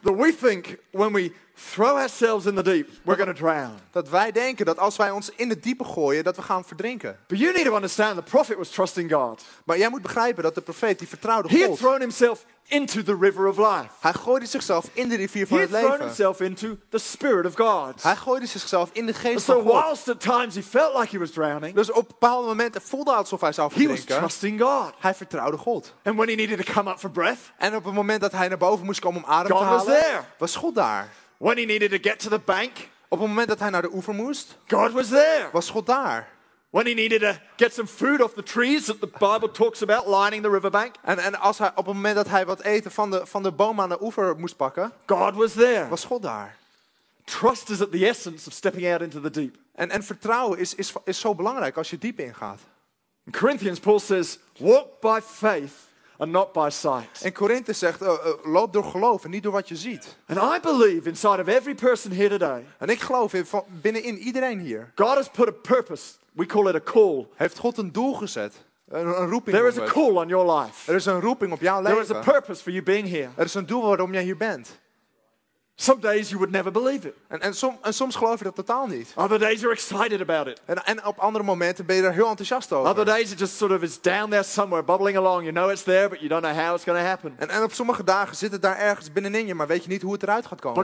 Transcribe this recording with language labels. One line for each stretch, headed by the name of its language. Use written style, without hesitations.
English: That we think when we throw ourselves in the deep, we're going to drown.
Dutch: Dat wij denken dat als wij ons in de diepe gooien, dat we gaan verdrinken.
English: But you need to understand the prophet was trusting God.
Dutch: Maar jij moet begrijpen dat de profeet die vertrouwde God.
English: He had thrown himself into the river of life.
Dutch: Hij gooide zichzelf in de rivier van het leven.
English: He threw himself into the spirit of God.
Dutch: Hij gooide zichzelf in de geest van
English: God. So whilst at times he felt like he was drowning.
Dutch: Dus op bepaalde momenten voelde hij alsof hij zou verdrinken.
English: He was trusting God.
Dutch: Hij vertrouwde God.
English: And when he needed to come up for breath.
Dutch: En op het moment dat hij naar boven moest komen om adem te halen.
English: God was there.
Dutch: Was God daar.
English: When he needed to get to the bank.
Dutch: Op het moment dat hij naar de oever moest.
English: God was there.
Dutch: Was God daar.
English: When he needed to get some food off the trees that the Bible talks about lining the riverbank.
Dutch: En als hij op het moment dat hij wat eten van de boom aan de oever moest pakken.
English: God was there.
Dutch: Was God daar.
English: Trust is at the essence of stepping out into the deep.
Dutch: En vertrouwen is zo belangrijk als je diep ingaat.
English: In Corinthians Paul says, walk by faith and not by sight.
Dutch: En Corinthe zegt, loop door geloof en niet door wat je ziet.
English: And I believe inside of every person here today.
Dutch: En ik geloof binnenin iedereen hier.
English: God has put a purpose. We call it a call.
Dutch: Heeft God een doel gezet? Een roeping.
English: There is a call on your life.
Dutch: Er is een roeping op jouw
English: there
Dutch: leven.
English: There is a purpose for you being here.
Dutch: Er is een doel waarom jij hier bent.
English: Some days you would never believe it.
Dutch: En soms geloof je dat totaal niet.
English: Other days you're excited about it.
Dutch: En op andere momenten ben je er heel enthousiast over.
English: Other days it just sort of is down there somewhere, bubbling along. You know it's there, but you don't know how it's going to happen.
Dutch: En op sommige dagen zit het daar ergens binnenin je, maar weet je niet hoe het eruit gaat komen.